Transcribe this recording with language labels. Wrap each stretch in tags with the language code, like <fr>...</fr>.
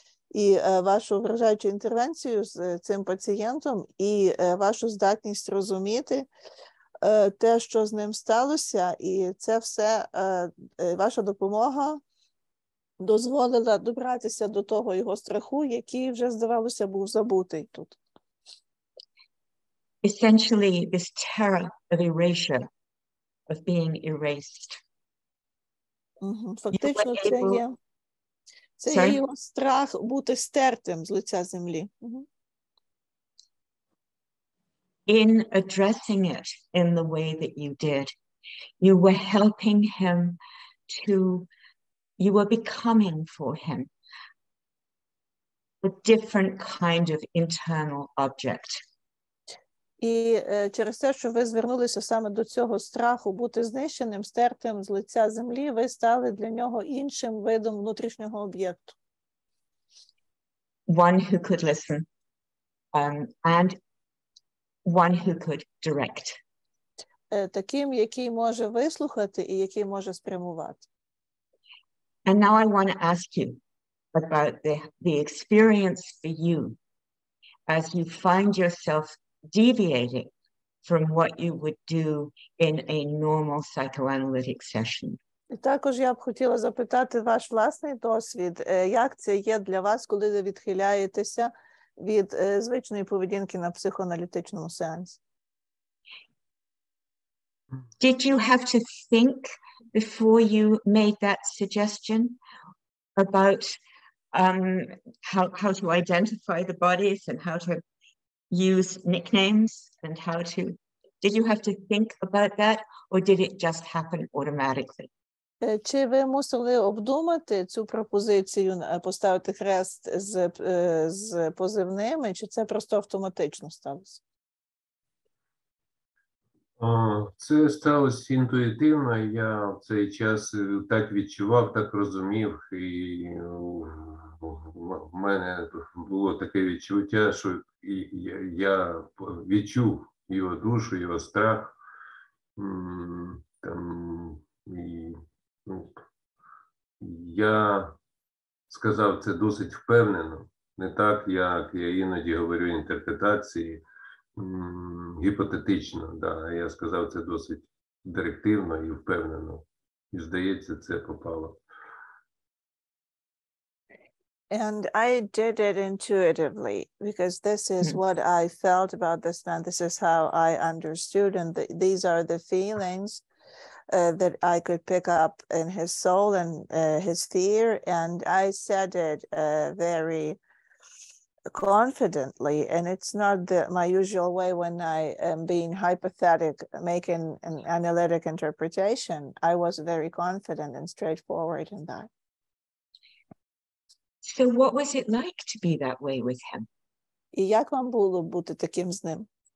<uk>і вашу вражаючу інтервенцію з цим пацієнтом і вашу здатність розуміти те, що з ним сталося, і це все ваша допомога дозволила добратися до того його страху, який вже, здавалося, був забутий тут.</uk> <en>Essentially, this terror of erasure, of being erased.</en> <uk>Фактично, це є. Це є його страх бути стертим з лиця землі.</uk> <en>In addressing it in the way that you did, you were helping him to... You were becoming for him a different kind of internal object.</en> <uk>І через те, що ви звернулися саме до цього страху бути знищеним, стертим з лиця землі, ви стали для нього іншим видом внутрішнього об'єкту.</uk> <en>One who could listen, and one who could direct.</en> <uk>Таким, який може вислухати і який може спрямувати.</uk> <en>And now I want to ask you about the experience for you as you find yourself deviating from what you would do in a normal psychoanalytic session.</en> <uk>І також я б хотіла запитати ваш власний досвід, як це є для вас, коли ви відхиляєтеся від звичної поведінки на психоаналітичному сеансі.</uk> <en>Did you have to think before you made that suggestion about how to identify the bodies and how to use nicknames and how to, did you have to think about that or did it just happen automatically?</en> <uk>Чи ви мусили обдумати цю пропозицію поставити хрест з позивними, чи це просто автоматично сталося? Це сталося інтуїтивно, я в цей час так відчував, так розумів, і в мене було таке відчуття, що я відчув його душу, його страх, там, і, ну, я сказав це досить впевнено, не так, як я іноді говорю інтерпретації, гіпотетично, да, я сказав це досить директивно і впевнено. І здається, це попало.</uk> <en>And I did it intuitively because this is what I felt about this man. This is how I understood and these are the feelings that I could pick up in his soul and his fear and I said it very confidently, and it's not my usual way when I am being hypothetic, making an analytic interpretation. I was very confident and straightforward in that. So what was it like to be that way with him?</en> <uk>І як вам було бути таким з ним?</uk>